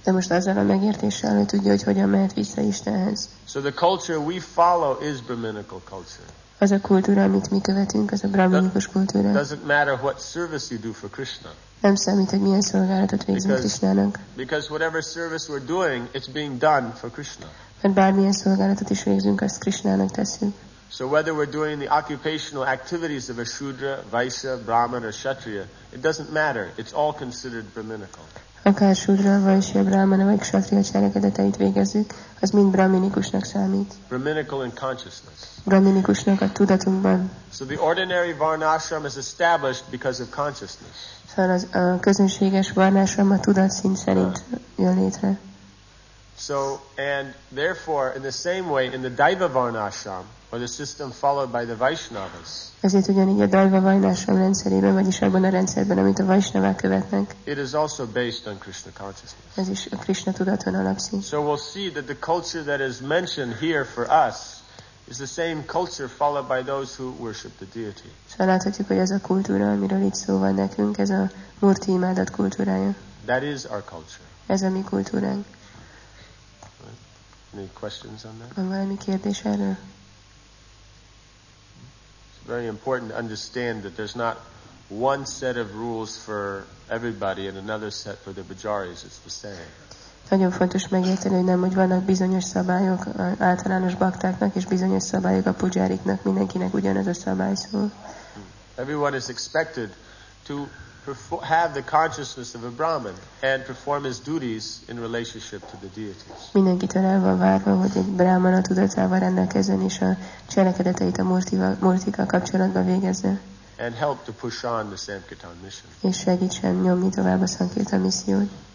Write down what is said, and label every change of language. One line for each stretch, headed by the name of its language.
Hungarian: De most azzal a megértéssel, hogy tudja, hogy hogyan mehet vissza Istenhez.
English: So the culture we follow is Brahminical culture.
Hungarian: Az a kultúra, amit mi követünk, az a brahminikus kultúra.
English: Doesn't matter what service you do for Krishna.
Hungarian: Nem számít, hogy milyen szolgálatot végzünk Krishnának.
English: Because whatever service we're doing, it's being done for Krishna.
Hungarian: Mert bármilyen szolgálatot is végzünk, azt Krishnának teszünk.
English: So whether we're doing the occupational activities of a Shudra, Vaishya, Brahman, or Kshatriya, it doesn't matter. It's all considered Brahminical.
Hungarian: Akár Shudra, Vaishya, Brahman, vagy Kshatriya cselekedeteit végezzük, az mind Brahminikusnak számít.
English: Brahminical in consciousness.
Hungarian: Brahminikusnak a tudatunkban.
English: So the ordinary Varnashram is established because of consciousness.
Hungarian: Szóval az a közönséges Varnashram a tudatszint szerint jön létre.
English: So, and therefore, in the same way, in the Daiva Varnashram, or the system followed by the Vaishnavas.
Hungarian: Ezért ugyanígy a Daiva Vaishnava rendszerében, vagyis abban a rendszerben, amit a Vaishnavák követnek.
English: It is also based on Krishna consciousness.
Hungarian: Ez is a Krishna tudaton alapszik.
English: So we'll see that the culture that is mentioned here for us is the same culture followed by those who worship the deity.
Hungarian: Szóval láthatjuk, hogy ez a kultúra, amiről itt szó van nekünk, ez a Murti imádat kultúrája.
English: That is our culture.
Hungarian: Ez a mi kultúránk.
English: Any questions on that?
Hungarian: Van valami kérdés erről?
English: Very important to understand that there's not one set of rules for everybody and another set for the bhajaris. It's the same.
Hungarian: Nagyon fontos megérteni, hogy nem, hogy vannak bizonyos szabályok általános baktáknak és bizonyos szabályok a pujáriknak. Mindenkinek ugyanaz a szabály szól.
English: Everyone is expected to have the consciousness of a Brahman and perform his duties in relationship to the deities.
Hungarian: Mindenkitől el van várva, hogy egy Brahman a tudatával rendelkezzen és a cselekedeteit a murtikkal kapcsolatban végezze.
English: and help to push on the Sankirtan mission.
Hungarian: És segítsen nyomni tovább a Sankirtan missziót.